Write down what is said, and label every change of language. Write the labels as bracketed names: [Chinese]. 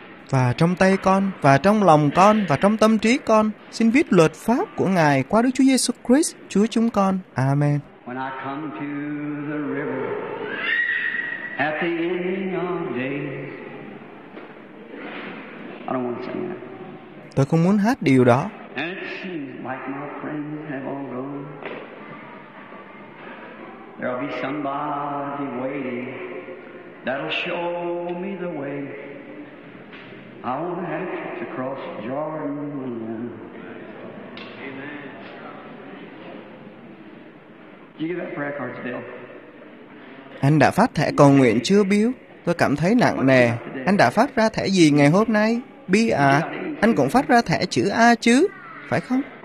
[Vietnamese] Và trong tay con, và trong lòng con, và trong tâm trí con, xin viết luật pháp của Ngài qua Đức Chúa Giêsu Christ, Chúa chúng con. Amen. [English] When I come to the river, at the ending of days, I don't want to sing that. [Vietnamese] Tôi không muốn hát điều đó. [English] And it seems like my friends have all gone. There'll be somebody waiting that'll show me the way. I won't have to cross Jordan again. Amen. Did you get that prayer card, Bill? [Vietnamese] Anh đã phát thẻ cầu nguyện chưa, Bill? Tôi cảm thấy nặng nề. Anh đã phát ra thẻ gì ngày hôm nay? B à, anh cũng phát ra thẻ chữ A chứ, phải không?